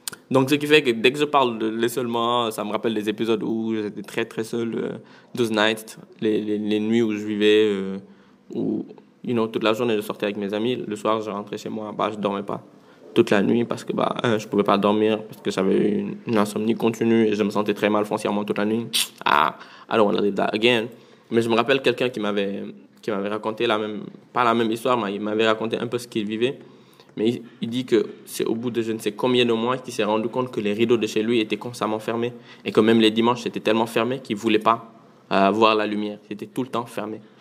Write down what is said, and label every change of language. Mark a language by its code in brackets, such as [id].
[fr] Donc, ce qui fait que dès que je parle de l'isolement, ça me rappelle les épisodes où j'étais très, très seul. [en] Those nights, [fr] les nuits où je vivais, où, [en] you know, [fr] toute la journée, je sortais avec mes amis. Le soir, je rentrais chez moi. Bah, je dormais pas toute la nuit parce que bah, je pouvais pas dormir parce que j'avais une insomnie continue et je me sentais très mal foncièrement toute la nuit. [en] Ah, I don't want to do that again. [fr] Mais je me rappelle quelqu'un qui m'avait raconté la même, pas la même histoire, mais il m'avait raconté un peu ce qu'il vivait. Mais il dit que c'est au bout de je ne sais combien de mois qu'il s'est rendu compte que les rideaux de chez lui étaient constamment fermés et que même les dimanches c'était tellement fermé qu'il ne voulait pas voir la lumière. C'était tout le temps fermé.